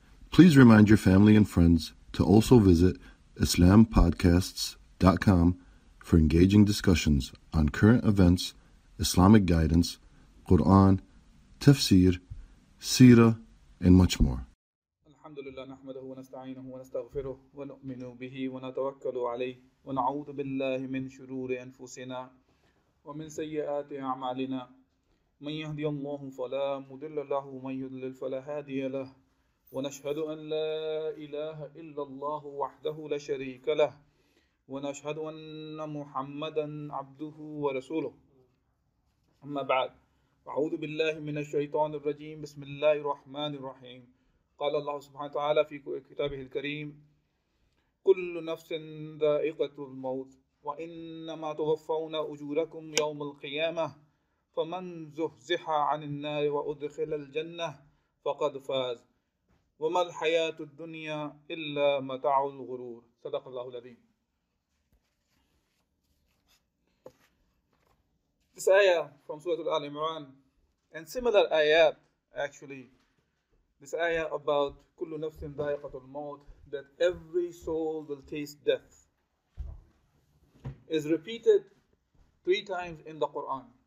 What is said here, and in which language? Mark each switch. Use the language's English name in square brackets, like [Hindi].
[English] Please remind your family and friends to also visit islampodcasts.com for engaging discussions on current events, Islamic guidance, Quran, tafsir, seerah, and much more. [Arabic] نحمده ونستعينه ونستغفره ونؤمن به ونتوكل عليه ونعوذ بالله من شرور أنفسنا ومن سيئات أعمالنا من يهدي الله فلا مضل له ومن يضلل فلا هادي له ونشهد أن لا إله إلا الله وحده لا شريك له ونشهد أن محمدا عبده ورسوله أما بعد أعوذ بالله من الشيطان الرجيم بسم الله الرحمن الرحيم قال الله سبحانه وتعالى في كتابه الكريم كل نفس ذائقة الموت وإنما توفون أجوركم يوم القيامة فمن زحزح عن النار وأدخل الجنة فقد فاز وما الحياة الدنيا إلا متاع الغرور صدق الله العظيم. [English] This ayah from Surah Al Imran and similar ayat actually. This ayah about kullu nafsin dhaiqatul maut, that every soul will taste death, is repeated 3 times in the Quran.